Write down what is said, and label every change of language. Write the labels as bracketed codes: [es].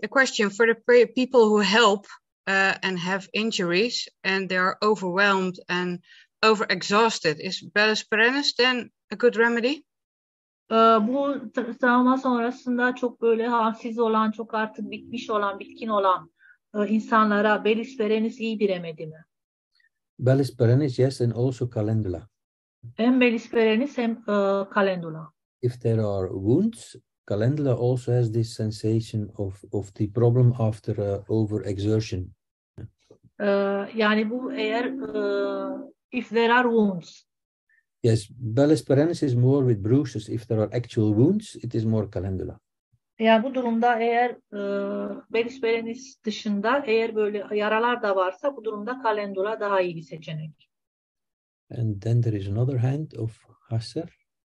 [en] A question for the people who help and have injuries and they are overwhelmed and overexhausted. Is belisperenis then a good remedy? [tr] Bu travma sonrasında çok böyle halsiz olan, çok artık bitmiş olan, bitkin olan insanlara belisperenis iyi bir remedi mi? [en] Belisperenis, yes, and also calendula. [tr] Hem belisperenis hem calendula. [en] If there are wounds, calendula also has this sensation of the problem after overexertion. [tr] Yani bu eğer [en] if there are wounds. Yes, belisperenis is more with bruises. If there are actual wounds, it is more calendula. [tr] Yani bu durumda eğer belisperenis dışında eğer böyle yaralar da varsa bu durumda calendula daha iyi bir seçenek. [en] And then there is another hand of Hacer.